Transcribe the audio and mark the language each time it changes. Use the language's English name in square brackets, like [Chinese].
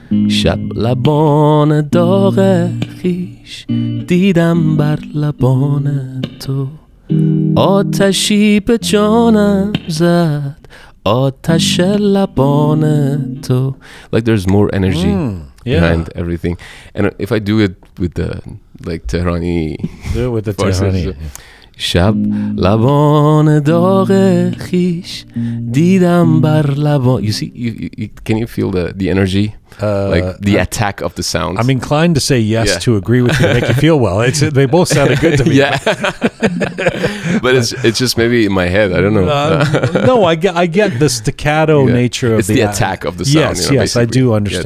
[Persian] Shab laban dagh khish didam bar laban to Atashi be janam zad آتش لبان تو. [English] Like there's more energy behind everything. And if I do it with the like Tehrani, do it with the Tehrani. [Persian] شب لبان داغ خیش دیدم بر لبان. [English] You see, can you feel the energy? The attack of the sound. I'm inclined to say yes, to agree with you, make you feel well. They both sounded good to me. Yeah. But it's just maybe in my head. I don't know. No, I get the staccato nature of it's the attack of the sound. Yes, you know, yes, I do understand.